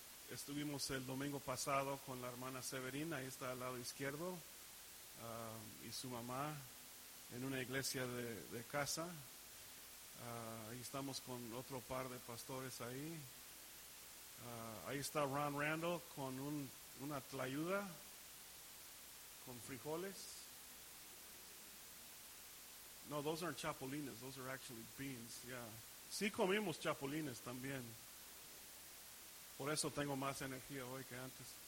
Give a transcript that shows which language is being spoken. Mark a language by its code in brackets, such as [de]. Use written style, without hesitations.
[es] Estuvimos el domingo pasado con la hermana Severina, ahí está al lado izquierdo, y su mamá en una iglesia de casa. Ahí estamos con otro par de pastores ahí. Ahí está Ron Randall con una tlayuda con frijoles. [en] No, those aren't chapulines, those are actually beans, yeah. [es] Sí comimos chapulines también. Por eso tengo más energía hoy que antes.